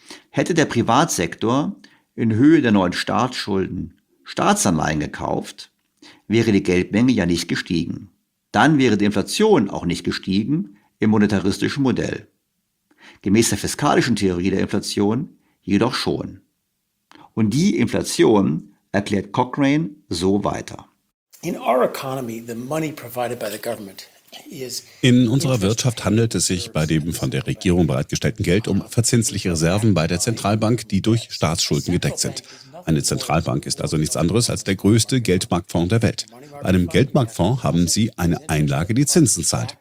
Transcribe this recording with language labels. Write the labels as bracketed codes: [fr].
[de] Hätte der Privatsektor in Höhe der neuen Staatsschulden Staatsanleihen gekauft, wäre die Geldmenge ja nicht gestiegen. Dann wäre die Inflation auch nicht gestiegen im monetaristischen Modell. Gemäß der fiskalischen Theorie der Inflation jedoch schon. Und die Inflation erklärt Cochrane so weiter. [en] In our economy, the money provided by the government. [de] In unserer Wirtschaft handelt es sich bei dem von der Regierung bereitgestellten Geld um verzinsliche Reserven bei der Zentralbank, die durch Staatsschulden gedeckt sind. Eine Zentralbank ist also nichts anderes als der größte Geldmarktfonds der Welt. Bei einem Geldmarktfonds haben Sie eine Einlage, die Zinsen zahlt.